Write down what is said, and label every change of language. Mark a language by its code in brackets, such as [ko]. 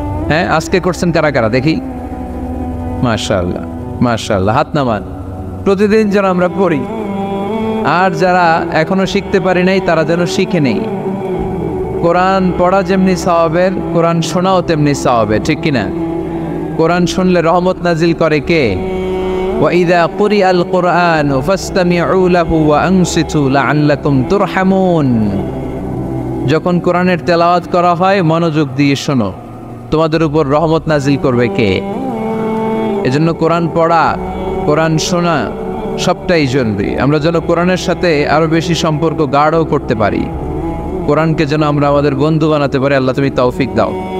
[bn] হ্যাঁ, আজকে করছেন কারা কারা দেখি? মাশাআল্লাহ মাশাআল্লাহ, হাত নামান। প্রতিদিন যেন আমরা পড়ি, আর যারা এখনো শিখতে পারি নাই তারা যেন শিখে নেই। কোরআন পড়া যেমনি সওয়াবের, কোরআন শোনাও তেমনি সওয়াবের, ঠিক কি না? কোরআন শুনলে রহমত নাজিল করে কে? [ar] وإذا قرئ القرآن فاستمعوا له وأنصتوا لعلكم ترحمون। [bn] যখন কোরআনের তেলাওয়াত করা হয় মনোযোগ দিয়ে শোনো, তোমাদের উপর রহমত নাজিল করবে কে? এজন্য কোরআন পড়া কোরআন শোনা সবটাই জরুরি। আমরা যেন কোরআনের সাথে আরো বেশি সম্পর্ক গাঢ় করতে পারি, কোরআনকে যেন আমরা আমাদের বন্ধু বানাতে পারি। আল্লাহ তুমি তৌফিক দাও।